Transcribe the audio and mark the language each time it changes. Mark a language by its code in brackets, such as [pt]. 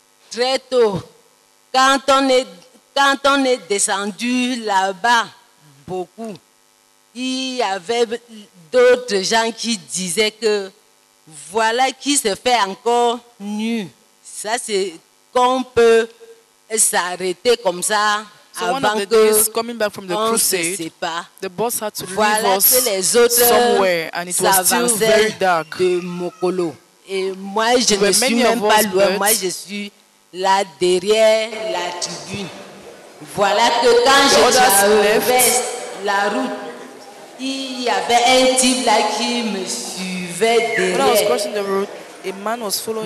[fr] Très tôt, quand on est descendu là-bas, beaucoup, il y avait d'autres gens qui disaient que voilà qui se fait encore nu. Ça, c'est qu'on peut s'arrêter comme ça avant que [en] coming back from the crusade, the boss had to [fr] voilà [en] leave us somewhere, and it was still very dark. [fr] De Mokolo. Et moi, je ne suis même pas loin. Moi, je suis là derrière la tribune. Voilà que quand je traversais la route, il y avait un type là qui me suivait derrière. [en] When I was crossing the road, a man was following